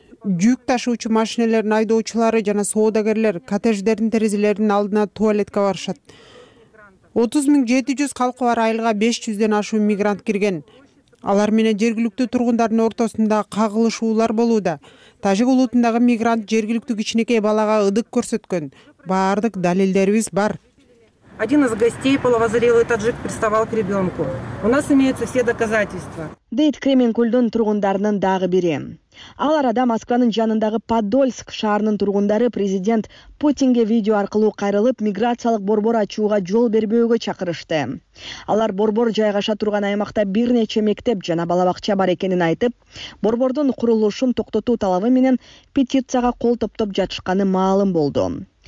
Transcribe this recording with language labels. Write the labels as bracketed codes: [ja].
[ky] Жүк ташуучу машинелердин айдоочулары жана соодагерлер коттедждердин терезелеринин алдына туалетке барышат. 30700 калкы бар айылга 500ден ашуун мигрант кирген. Алар менен жергиликтүү тургундардын ортосунда кагылышуулар болууда. Тажик улутундагы мигрант жергиликтүү кичинекей балага ыдык көрсөткөн. Баардык далилдерибиз бар. [ru] Один из гостей, половозрелый таджик, приставал к ребенку. У нас имеются все доказательства. [ky] Дейт Кременкульдун тургундарынын дагы бири. Ал арада Москванын жанындагы Подольск шаарынын тургундары президент Путинге видео аркылуу кайрылып, миграциялык борбор ачууга жол бербөөгө чакырышты. Алар борбор жайгаша турган аймакта бир нече мектеп жана балабакча бар экенин айтып, борбордун курулушун токтотуу талабы менен петицияга кол топтоп жатышканы маалым болду.